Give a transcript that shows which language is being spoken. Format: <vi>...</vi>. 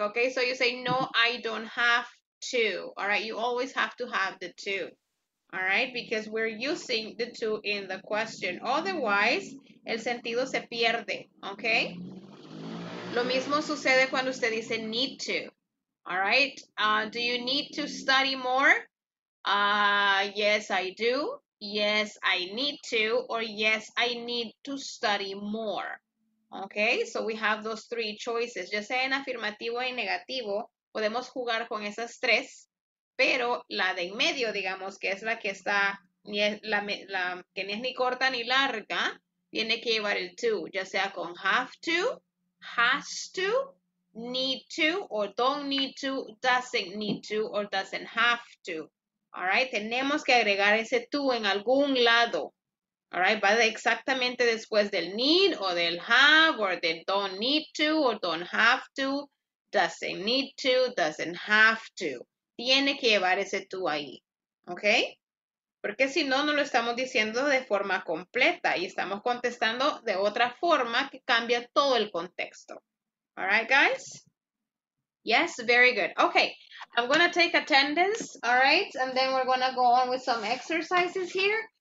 <en>Okay, so you say, no, I don't have to. All right, you always have to have the two. All right, because we're using the two in the question.</en> <es>Otherwise, el sentido se pierde. Okay? Lo mismo sucede cuando usted dice need to.</es> <en>All right, do you need to study more? Yes, I do. Yes, I need to. Or yes, I need to study more. Okay, so we have those three choices.</en> <es>Ya sea en afirmativo y negativo, podemos jugar con esas tres, pero la de en medio, digamos, que es la que está, que ni es ni corta ni larga, tiene que llevar el to, ya sea con have to</es> <en>has to, need to, or don't need to, doesn't need to, or doesn't have to. All right,</en> <es>tenemos que agregar ese to en algún lado.</es> <en>All right,</en> <es>va exactamente después del</es> <en>need, or del have, or del don't need to, or don't have to, doesn't need to, doesn't have to.</en> <es>Tiene que llevar ese to ahí. Okay? Porque si no, no lo estamos diciendo de forma completa y estamos contestando de otra forma que cambia todo el contexto.</es> <en>All right, guys? Yes, very good. Okay, I'm going to take attendance, all right? And then we're going to go on with some exercises here.</en>